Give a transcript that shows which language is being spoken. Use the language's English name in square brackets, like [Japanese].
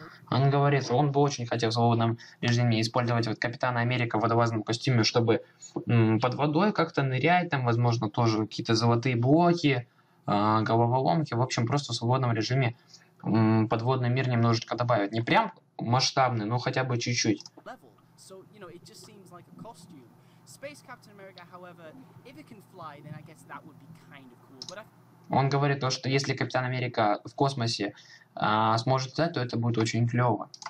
[Russian] Он говорит, что он бы очень хотел в свободном режиме использовать вот Капитана Америка в водолазном костюме, чтобы под водой как-то нырять, там, возможно, тоже какие-то золотые блоки, головоломки, в общем, просто в свободном режиме подводный мир немножечко добавить. Не прям масштабный, но хотя бы чуть-чуть. [English] So, you know, it just seems like a costume. Space Captain America, however, if it can fly, then I guess that would be kind of cool. But [Russian] он говорит то, что если Капитан Америка в космосе сможет летать, то это будет очень клёво.